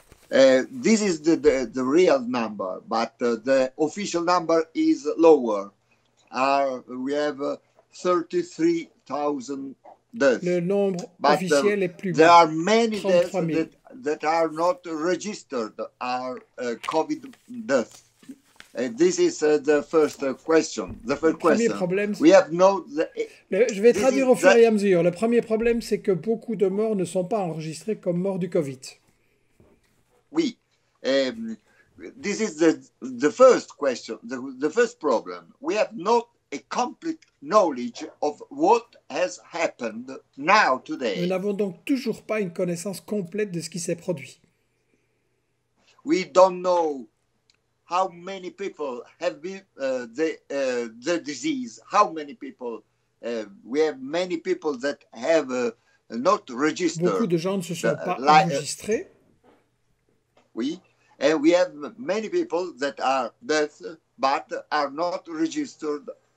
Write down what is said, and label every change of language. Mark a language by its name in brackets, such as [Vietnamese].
[English] This is the real number, but the official number is lower. We have 33,000 deaths. [French] Le nombre officiel est plus bas. [English] There are many deaths that are not registered are COVID deaths. This is the first question. The first question. [French] Problème, [English] we have no. [French] Je vais traduire au fur et à mesure. Le premier problème, c'est que beaucoup de morts ne sont pas enregistrés comme morts du COVID. [English] Oui. This is the first question. The first problem. We have not a complete knowledge of what has happened now today. [French] Nous n'avons donc toujours pas une connaissance complète de ce qui s'est produit. [English] We don't know how many people have been the disease. How many people? We have many people that have not registered. [French] Beaucoup de gens ne se sont pas enregistrés. [English] Oui, and we have many people that are dead but are not registered.